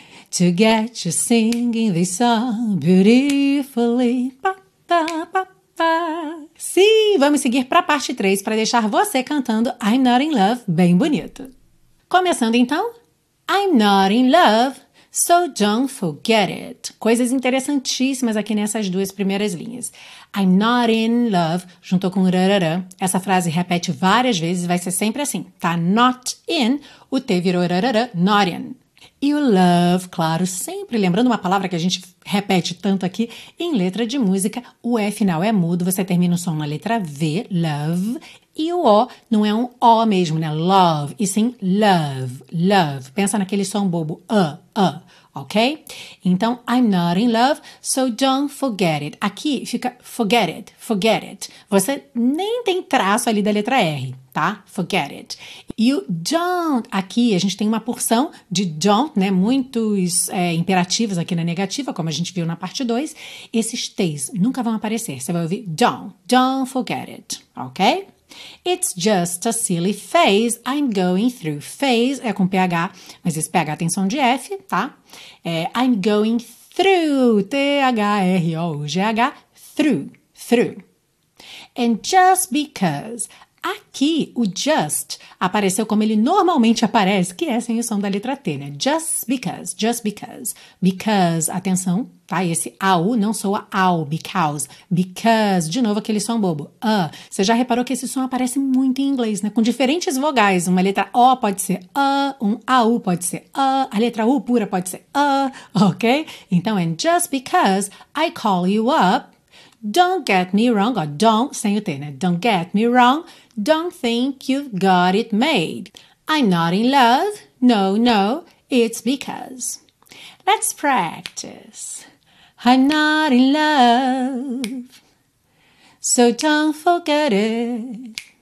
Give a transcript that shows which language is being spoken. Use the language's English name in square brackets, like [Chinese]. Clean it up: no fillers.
[English] To get you singing this song beautifully. Pa, pa, pa, pa. [Portuguese] Sim, vamos seguir para a parte 3 para deixar você cantando I'm Not In Love bem bonito. Começando então. [English] I'm not in love, so don't forget it. [Portuguese] Coisas interessantíssimas aqui nessas duas primeiras linhas. I'm not in love, juntou com rarara. Essa frase repete várias vezes, vai ser sempre assim, tá? Not in, o T virou rarara, not in. E o love, claro, sempre lembrando uma palavra que a gente repete tanto aqui, em letra de música, o E final é mudo, você termina o som na letra V, love, e o O não é um O mesmo, né? Love, e sim love, love. Pensa naquele som bobo, ok? [English] Então, I'm not in love, so don't forget it. Aqui fica forget it, forget it. [Portuguese] Você nem tem traço ali da letra R, tá? Forget it. E o don't, aqui a gente tem uma porção de don't, né? Muitos imperativos aqui na negativa, como a gente viu na parte 2. Esses T's nunca vão aparecer. Você vai ouvir don't forget it, ok? It's just a silly phase, I'm going through. Phase é com PH, mas esse PH tem som de F, tá? É, I'm going through, T-H-R-O-U-G-H, through. And just because, aqui o just apareceu como ele normalmente aparece, que é sem o som da letra T, né? Just because. Because, atenção, tá? E esse au não soa au, because. Because, de novo aquele som bobo. Você já reparou que esse som aparece muito em inglês, né? Com diferentes vogais. Uma letra O pode ser um au pode ser a letra U pura pode ser ok? [English] Então, and just because I call you up, don't get me wrong, ou don't, sem o T, né? Don't get me wrong, don't think you've got it made. I'm not in love, no, it's because. Let's practice. I'm not in love, so don't forget it.